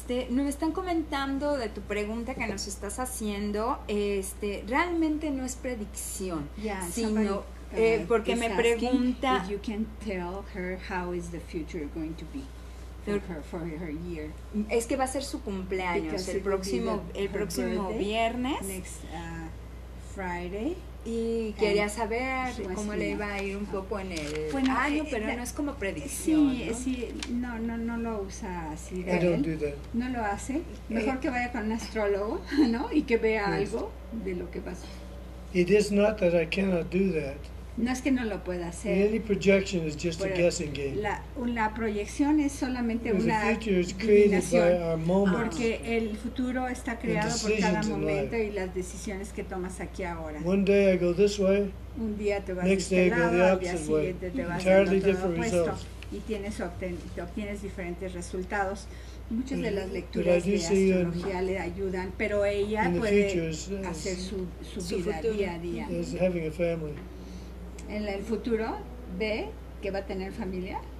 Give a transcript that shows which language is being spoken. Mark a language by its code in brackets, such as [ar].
[es] Me están comentando de tu pregunta que nos estás haciendo. Realmente no es predicción, sino... porque me pregunta [en] if you can tell her how is the future going to be for her year. [es] Es que va a ser su cumpleaños because el próximo [en] birthday, [es] viernes [en] next Friday, [es] y quería saber cómo le iba a ir un poco en el año, pero no es como predicción. No lo usa así de él. No lo hace. Mejor que vaya con un astrólogo, ¿no? Y que vea algo de lo que pasa. [en] It is not that I cannot do that. [es] No es que no lo pueda hacer. [en] Any projection is just a guessing game. [es] La proyección es solamente una adivinación, porque el futuro está creado por cada momento y las decisiones que tomas aquí ahora. [en] One day I go this way, [es] un día te vas [en] next day I go the opposite way. Entirely different results. [es] Y tienes obtienes diferentes resultados. Muchas de las lecturas de astrología le ayudan, pero ella puede hacer su vida día a día. [en] Is having a family. [es] En el futuro ve que va a tener familia.